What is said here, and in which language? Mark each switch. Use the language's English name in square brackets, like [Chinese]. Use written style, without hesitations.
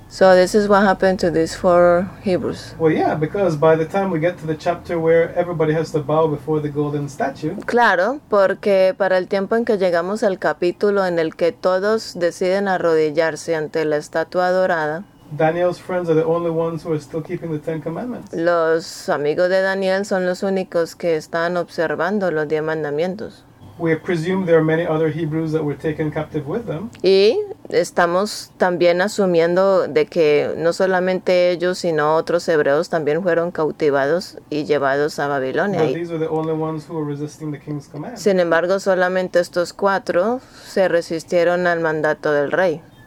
[English] So this is what happened to these four Hebrews. Well, yeah, because by the time we get to the chapter where everybody has to bow before the golden statue. [Spanish] Claro, porque para el tiempo en que llegamos al capítulo en el que todos deciden arrodillarse ante la estatua dorada. [English] Daniel's friends are the only ones who are still keeping the Ten Commandments. [Spanish] Los amigos de Daniel son los únicos que están observando los 10 mandamientos. [English] We presume there are many other Hebrews that were taken captive with them. [Spanish] Y estamos también asumiendo de que no solamente ellos, sino otros hebreos también fueron cautivados y llevados a Babilonia. [English] But these are the only ones who are resisting the king's command. [Spanish] Sin embargo, solamente estos cuatro se resistieron al mandato del rey.